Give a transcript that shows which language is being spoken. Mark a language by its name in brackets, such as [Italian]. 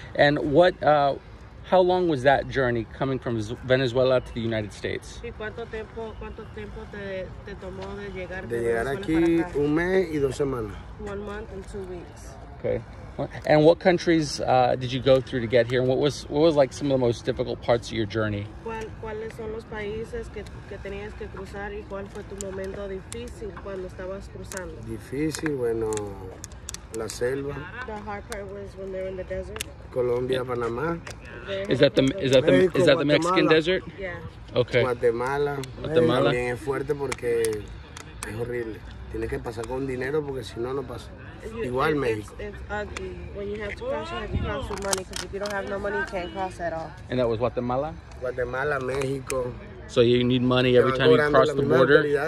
[English] And what, how long was that journey coming from Venezuela to the United States? [Spanish] ¿Cuánto tiempo te tomó de llegar de llegar aquí para acá? Un mes y dos semanas. [English] 1 month and 2 weeks. Okay. And what countries did you go through to get here? And what was like some of the most difficult parts of your journey? [Spanish] ¿Cuáles son los países que tenías que cruzar y cuál fue tu momento difícil cuando estabas cruzando? Difícil, bueno, la selva. [English] The hard part was when they were in the desert. Colombia, yeah. Panamá. Is that the Mexico, Mexican Guatemala. Desert? Yeah. Okay. [Spanish] Guatemala. También es fuerte porque es horrible. Tienes que pasar con dinero porque si no, no pasa. Igual México. [English] It's ugly. When you have to cross, you have to cross with money, because if you don't have no money, you can't cross at all. And that was Guatemala? [Spanish] Guatemala, México. [English] So you need money every time you cross the border?